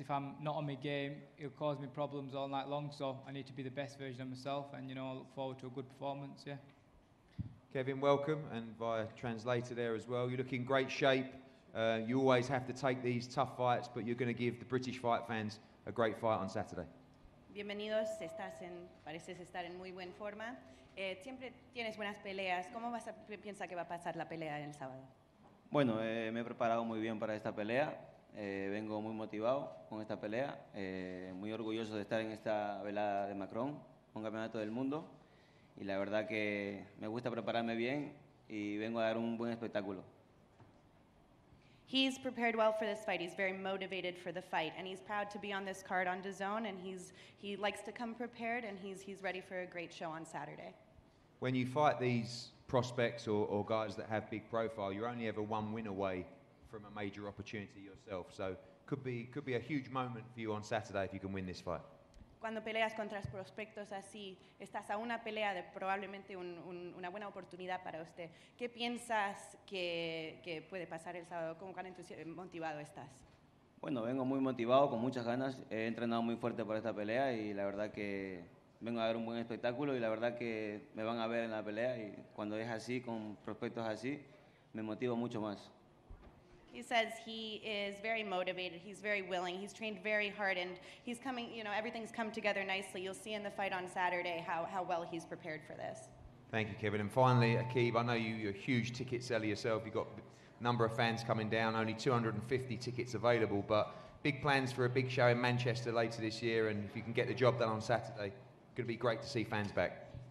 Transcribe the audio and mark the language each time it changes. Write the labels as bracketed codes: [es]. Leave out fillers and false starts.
[en] If I'm not on my game, he'll cause me problems all night long, so I need to be the best version of myself, and you know, I look forward to a good performance, yeah. Kevin, welcome, and via translator there as well. You look in great shape. You always have to take these tough fights, but you're going to give the British fight fans a great fight on Saturday. [es] Bienvenidos, estás en, pareces estar en muy buena forma. Siempre tienes buenas peleas. ¿Cómo vas a piensa que va a pasar la pelea el sábado? Bueno, me he preparado muy bien para esta pelea. Vengo muy motivado con esta pelea, muy orgulloso de estar en esta velada de Macron, un campeonato del mundo, y la verdad que me gusta prepararme bien y vengo a dar un buen espectáculo. [en] He's prepared well for this fight. He's very motivated for the fight, and he's proud to be on this card on Dazn, and he likes to come prepared, and he's ready for a great show on Saturday. When you fight these prospects or guys that have big profile, you're only ever one win away from a major opportunity yourself. So could be a huge moment for you on Saturday if you can win this fight. [es] Cuando peleas contra prospectos así, estás a una pelea de probablemente una buena oportunidad para usted. ¿Qué piensas que puede pasar el sábado? ¿Cómo tan motivado estás? Bueno, vengo muy motivado, con muchas ganas. He entrenado muy fuerte para esta pelea y la verdad que vengo a ver un buen espectáculo y la verdad que me van a ver en la pelea y cuando es así, con prospectos así, me motivo mucho más. [en] He says he is very motivated, he's very willing, he's trained very hard, and he's coming, you know, everything's come together nicely. You'll see in the fight on Saturday how well he's prepared for this. Thank you, Kevin. And finally, Akib, I know you're a huge ticket seller yourself. You've got a number of fans coming down, only 250 tickets available, but big plans for a big show in Manchester later this year, and if you can get the job done on Saturday, it's going to be great to see fans back.